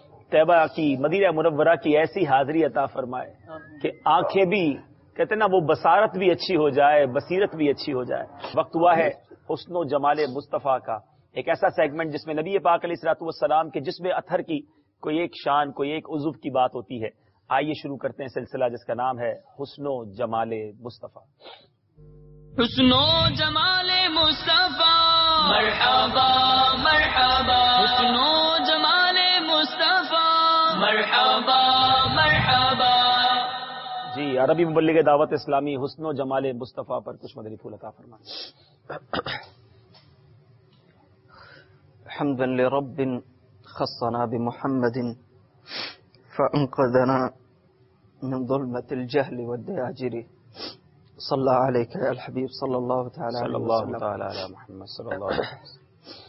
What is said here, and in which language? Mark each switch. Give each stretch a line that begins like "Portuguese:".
Urdu: طیبہ کی مدینہ منورہ کی ایسی حاضری عطا فرمائے کہ آنکھیں بھی کہتے ہیں نا وہ بصارت بھی اچھی ہو جائے بصیرت بھی اچھی ہو جائے وقت ہوا ہے حسن و جمال مصطفیٰ کا ایک ایسا سیگمنٹ جس میں نبی پاک علیہ الصلوۃ والسلام کے جسم اطہر کی کوئی ایک شان کوئی ایک عضو کی بات ہوتی ہے آئیے شروع کرتے ہیں سلسلہ جس کا نام ہے حسن و جمال مصطفیٰ حسن و جمال مصطفیٰ مرحبا مرحبا حسن و جمال مصطفیٰ مرحبا مرحبا جی عربی مبلغ دعوت اسلامی حسن و جمال مصطفیٰ پر کچھ مدنی پھول عطا فرمائیں
Arabic: الحمد لرب خصنا بمحمد فانقذنا من ظلمة الجهل والدياجر صلى عليك يا الحبيب صلى الله تعالى صلى الله وسلم تعالى على محمد صلى الله عليه وسلم